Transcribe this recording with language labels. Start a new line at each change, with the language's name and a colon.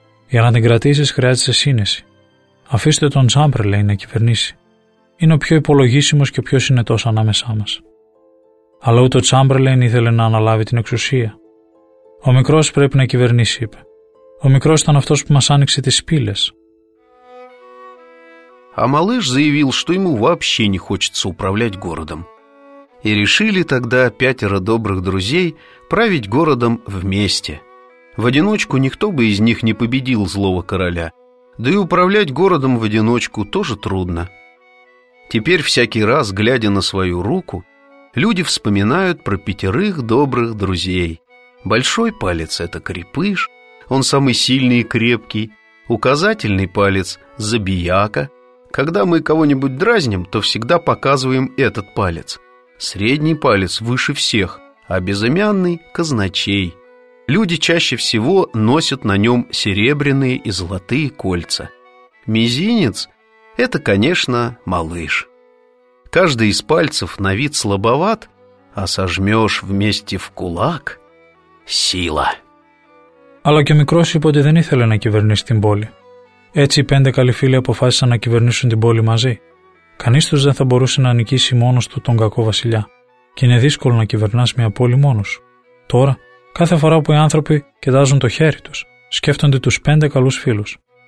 Greek: Για να την κρατήσεις χρειάζεσαι σύνεση. Αφήστε τον Τσάμπερλεϊν να κυβερνήσει. Είναι ο πιο υπολογίσιμος και ο πιο συνετός ανάμεσά μας». Αλλά ούτε ο Τσάμπερλεϊν ήθελε να αναλάβει την εξουσία. «Ο μικρός πρέπει να κυβερνήσει», είπε. «Ο μικρός ήταν αυτός που μας άνοιξε τις πύλες».
Russian: А малыш заявил, что ему вообще не хочется управлять городом. И решили тогда пятеро добрых друзей править городом вместе. В одиночку никто бы из них не победил злого короля. Да и управлять городом в одиночку тоже трудно. Теперь всякий раз, глядя на свою руку, люди вспоминают про пятерых добрых друзей. Большой палец – это крепыш, он самый сильный и крепкий. Указательный палец – забияка. Когда мы кого-нибудь дразним, то всегда показываем этот палец. Средний палец выше всех, а безымянный – казначей. Люди чаще всего носят на нем серебряные и золотые кольца. Мизинец – это, конечно, малыш. Каждый из пальцев на вид слабоват, а сожмешь вместе в кулак – сила.
Greek: Αλλά και ο μικρός είπε ότι δεν ήθελε να κυβερνήσει την πόλη. Έτσι οι πέντε καλοί φίλοι αποφάσισαν να κυβερνήσουν την πόλη μαζί. Κανείς τους δεν θα μπορούσε να νικήσει μόνος του τον κακό βασιλιά. Και είναι δύσκολο να κυβερνάς μια πόλη μόνος. Τώρα, κάθε φορά που οι άνθρωποι κοιτάζουν το χέρι τους, σκέφτονται τους πέντε καλούς φίλους.